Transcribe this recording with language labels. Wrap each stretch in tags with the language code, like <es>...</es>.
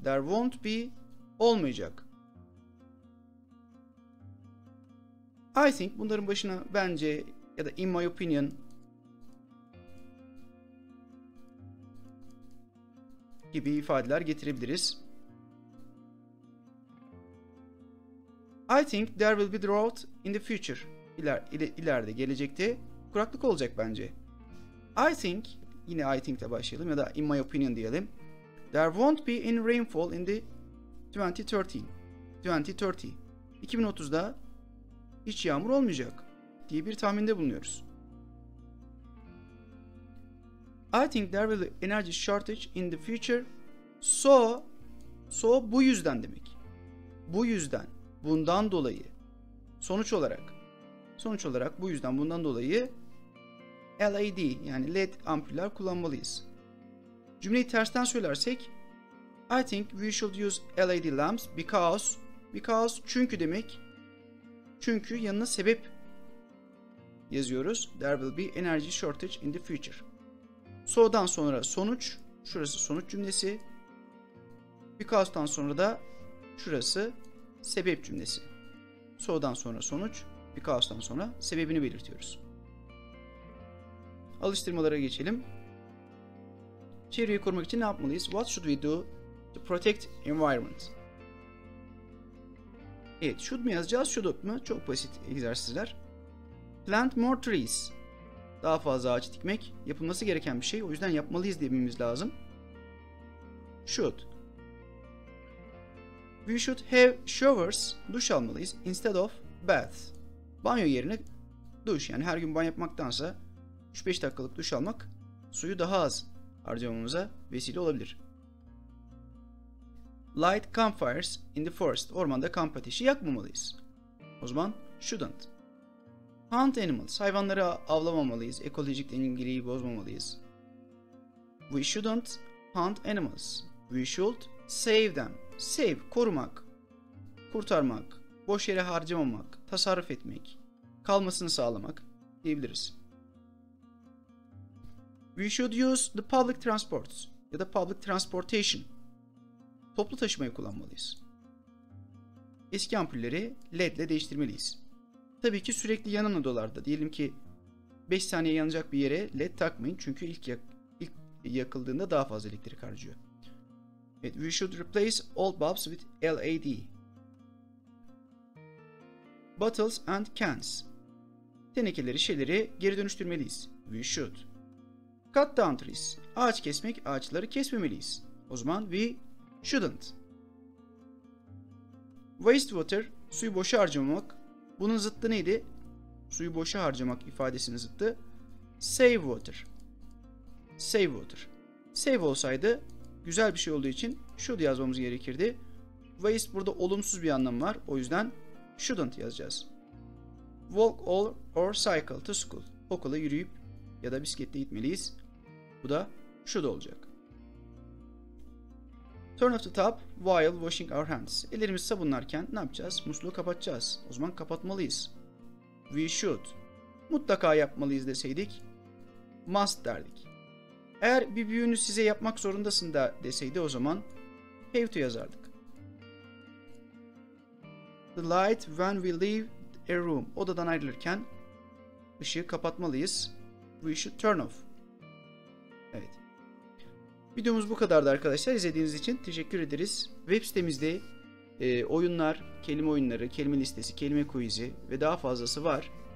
<en>There won't be</en> <tr>olmayacak.</tr> <en>I think</en> <tr>bunların başına bence ya da</tr> <en>in my opinion</en> <tr>gibi ifadeler getirebiliriz.</tr> <en>I think there will be drought in the future.</en> <tr>İleride, gelecekte kuraklık olacak bence.</tr> <en>I think,</en> <tr>yine</tr> <en>I think</en> <tr>ile başlayalım ya da</tr> <en>in my opinion</en> <tr>diyelim.</tr> <en>There won't be any rainfall in the 2030.</en> <tr>2030'da hiç yağmur olmayacak diye bir tahminde bulunuyoruz.</tr> <en>I think there will be energy shortage in the future. So</en> <tr>bu yüzden demek. Bu yüzden, bundan dolayı, sonuç olarak bu yüzden, bundan dolayı LED yani LED ampuller kullanmalıyız. Cümleyi tersten söylersek</tr> <en>I think we should use LED lamps because</en> <tr>çünkü demek. Çünkü yanına sebep yazıyoruz.</tr> <en>There will be energy shortage in the future.</en> <tr>So'dan sonra sonuç, şurası sonuç cümlesi. Because'dan sonra da şurası sebep cümlesi. So'dan sonra sonuç, because'dan sonra sebebini belirtiyoruz. Alıştırmalara geçelim. Çevreyi korumak için ne yapmalıyız?</tr> <en>What should we do to protect environment?</en> <tr>Evet, should mu yazacağız, should mu? Çok basit egzersizler.</tr> <en>Plant more trees.</en> <tr>Daha fazla ağaç dikmek yapılması gereken bir şey. O yüzden yapmalıyız dememiz lazım. Should.</tr> <en>We should have showers.</en> <tr>Duş almalıyız</tr> <en>instead of baths.</en> <tr>Banyo yerine duş. Yani her gün banyo yapmaktansa 3-5 dakikalık duş almak suyu daha az harcamamıza vesile olabilir.</tr> <en>Light campfires in the forest.</en> <tr>Ormanda kamp ateşi yakmamalıyız. O zaman shouldn't.</tr> <en>Hunt animals.</en> <tr>Hayvanları avlamamalıyız. Ekolojik dengeliği bozmamalıyız.</tr> <en>We shouldn't hunt animals. We should save them.</en> <tr>Save, korumak, kurtarmak, boş yere harcamamak, tasarruf etmek, kalmasını sağlamak diyebiliriz.</tr> <en>We should use the public transports ya da public transportation.</en> <tr>Toplu taşımayı kullanmalıyız. Eski ampulleri LED ile değiştirmeliyiz. Tabii ki sürekli yanan odalarda, diyelim ki 5 saniye yanacak bir yere LED takmayın çünkü ilk yakıldığında daha fazla elektrik harcıyor. Evet,</tr> <en>we should replace all bulbs with LED. Bottles and cans.</en> <tr>Tenekeleri, şeyleri geri dönüştürmeliyiz.</tr> <en>We should. Cut down trees.</en> <tr>Ağaç kesmek, ağaçları kesmemeliyiz. O zaman</tr> <en>we shouldn't.</en> <tr>Wastewater, suyu boşa harcamamak. Bunun zıttı neydi? Suyu boşa harcamak ifadesinin zıttı.</tr> <en>Save water. Save water.</en> <tr>Save olsaydı güzel bir şey olduğu için should yazmamız gerekirdi. Waste burada olumsuz bir anlam var. O yüzden shouldn't yazacağız.</tr> <en>Walk or cycle to school.</en> <tr>Okula yürüyüp ya da bisikletle gitmeliyiz. Bu da should olacak.</tr> <en>Turn off the tap while washing our hands.</en> <tr>Ellerimizi sabunlarken ne yapacağız? Musluğu kapatacağız. O zaman kapatmalıyız.</tr> <en>We should.</en> <tr>Mutlaka yapmalıyız deseydik must derdik. Eğer bir büyüğünü size yapmak zorundasın da deseydi o zaman have to yazardık.</tr> <en>The light when we leave a room.</en> <tr>Odadan ayrılırken ışığı kapatmalıyız.</tr> <en>We should turn off.</en> <tr>Evet. Videomuz bu kadardı arkadaşlar. İzlediğiniz için teşekkür ederiz. Web sitemizde oyunlar, kelime oyunları, kelime listesi, kelime quizi ve daha fazlası var.</tr>